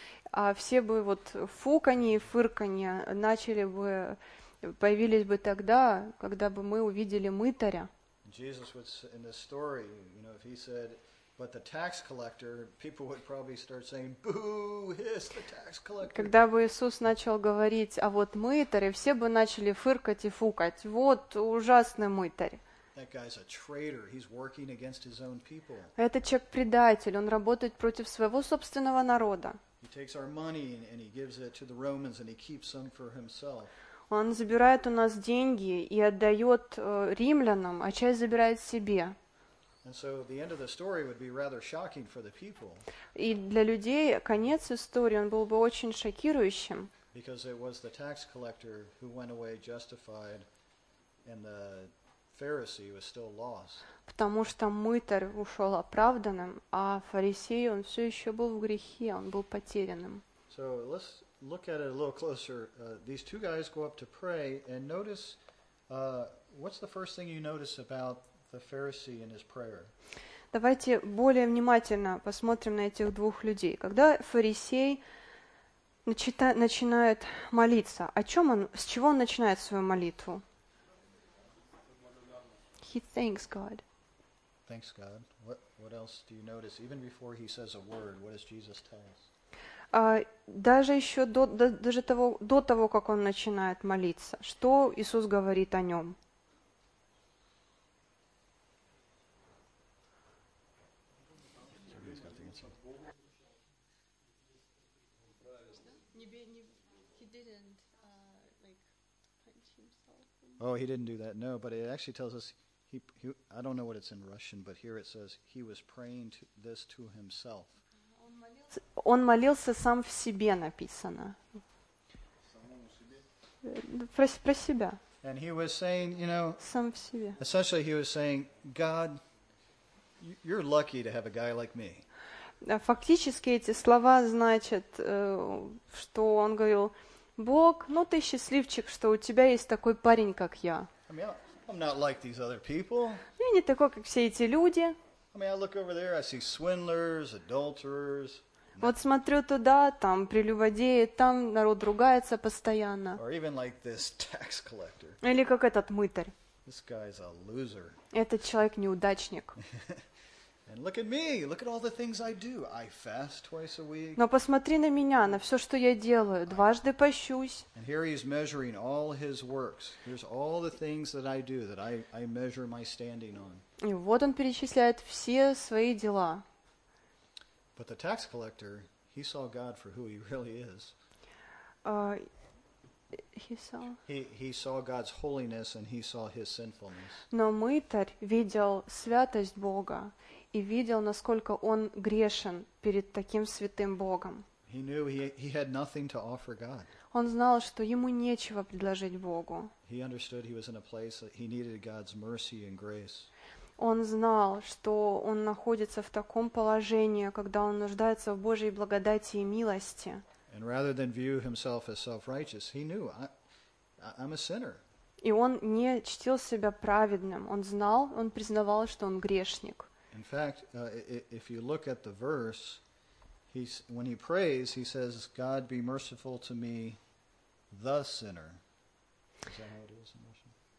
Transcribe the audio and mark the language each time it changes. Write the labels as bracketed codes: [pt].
[ru] А все бы вот фуканье и фырканье начали бы, появились бы тогда, когда бы мы увидели мытаря. Иисус в этой истории, если бы он сказал, [en] But the tax collector, people would probably start saying, "Boo, hiss the tax collector." [ru] Когда бы Иисус начал говорить, а вот мытари, все бы начали фыркать и фукать. Вот ужасный мытарь. [en] That guy's a traitor. He's working against his own people. [ru] Этот человек предатель. Он работает против своего собственного народа. [en] He takes our money and he gives it to the Romans and he keeps some for himself. [ru] Он забирает у нас деньги и отдает римлянам, а часть забирает себе. [en] And so the end of the story would be rather shocking for the people. [ru] И для людей конец истории он был бы очень шокирующим. [en] Because it was the tax collector who went away justified, and the Pharisee was still lost. [ru] Потому что мытарь ушел оправданным, а фарисей он все еще был в грехе, он был потерянным. [en] So let's look at it a little closer. These two guys go up to pray, and notice what's the first thing you notice about the Pharisee in his prayer. [ru] Давайте более внимательно посмотрим на этих двух людей. Когда фарисей начинает молиться, о чем он, с чего он начинает свою молитву? [en] He thanks God. Thanks God. What else do you notice? Even before he says a word, what does Jesus tell us? [ru] Даже еще до того, как он начинает молиться, что Иисус говорит о нем? [en] Oh, he didn't do that. No, but it actually tells us he. I don't know what it's in Russian, but here it says he was praying this to himself. [ru] Он молился сам в себе, написано. Про себя. [en] And he was saying, you know. [ru] Сам в себе. [en] Essentially, he was saying, God, you're lucky to have a guy like me. [ru] Фактически эти слова значат, что он говорил. Бог, ну ты счастливчик, что у тебя есть такой парень, как я. [en] I mean, I'm not like these other people. [ru] Я не такой, как все эти люди. [en] I mean, I look over there, I see swindlers, adulterers. [ru] Вот смотрю туда, там прелюбодеи, там народ ругается постоянно. [en] Or even like this tax collector. [ru] Или как этот мытарь. [en] This guy's a loser. [ru] Этот человек неудачник. [en] And look at me. Look at all the things I do. I fast twice a week. [ru] Но посмотри на меня, на все, что я делаю. Дважды пощусь. [en] And here he is measuring all his works. Here's all the things that I do that I measure my standing on. [ru] И вот он перечисляет все свои дела. [en] But the tax collector, he saw God for who he really is. He saw God's holiness and he saw his sinfulness. [ru] Но мытарь видел святость Бога. И видел, насколько он грешен перед таким святым Богом. [en] He knew he had nothing to offer God. [ru] Он знал, что ему нечего предложить Богу. [en] He understood he was in a place that he needed God's mercy and grace. [ru] Он знал, что он находится в таком положении, когда он нуждается в Божьей благодати и милости. [en] And rather than view himself as self-righteous, he knew I'm a sinner. [ru] И он не чтил себя праведным. Он знал, он признавал, что он грешник. [en] In fact, if you look at the verse, when he prays, he says, "God be merciful to me, the sinner." Is that how it is in Russian?